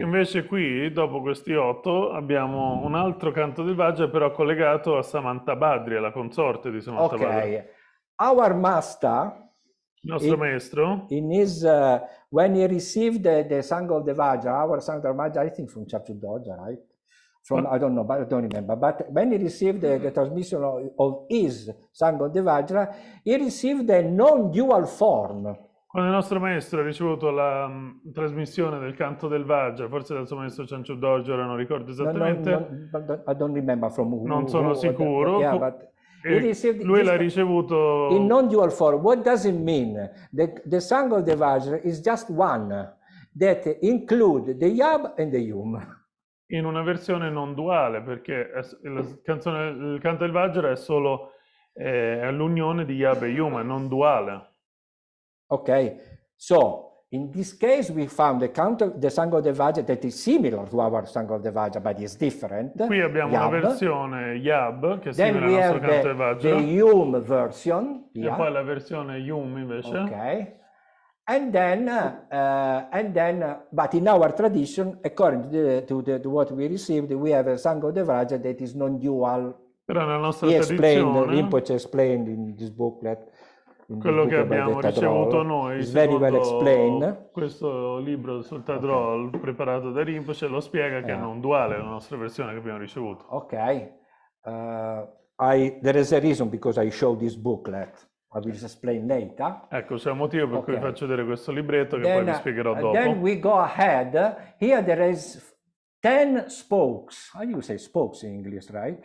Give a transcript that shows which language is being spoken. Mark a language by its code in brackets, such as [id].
[it] Invece qui, dopo questi 8, abbiamo un altro canto del Vajra, però collegato a Samantabhadri, alla consorte di Samantabhadra. [en] Ok, our master, [it] Il nostro maestro. [en] when he received the Sangha of the Vajra, our Sangha of the Vajra, I think from Chapter Doja, right? from, I don't know, but I don't remember, but when he received the transmission of his Sangha de Vajra, he received a non-dual form. [it] Quando il nostro maestro ha ricevuto la trasmissione del canto del Vajra, forse dal suo maestro Chanchu Dorje, ora non ricordo esattamente. [en] I don't remember from who. [it] Non sono sicuro. Lui l'ha ricevuto [en] in non-dual form. What does it mean? The Sangha of the Vajra is just one that include the yab and the yum. [it] In una versione non duale, perché la canzone, il canto del Vajra è solo l'unione di yab e yum, non duale. [en] Okay, so in this case we found the count of the Sangha of the Vajra that is similar to our Sangha of the Vajra, but is different. [it] Qui abbiamo yab. Una versione Yab che è simile al nostro canto del Vajra. [en] The Yum version. [it] Yab. E poi la versione Yum invece. [en] Okay, but in our tradition, according to what we received, we have a Sangha of the Vajra that is non-dual. [it] Però nella nostra tradizione. [en] Explained, Rinpoche explained in this booklet. [it] Quello che abbiamo ricevuto noi, [en] very well explained. [it] Questo libro sul Tadrol preparato da Rinpoche lo spiega che è non duale, la nostra versione che abbiamo ricevuto. [en] Ok, there is a reason because I show this booklet, I will explain later. [it] Ecco, c'è un motivo per cui faccio vedere questo libretto che poi vi spiegherò dopo. [en] Then we go ahead, here there is 10 spokes, how you say spokes in English, right?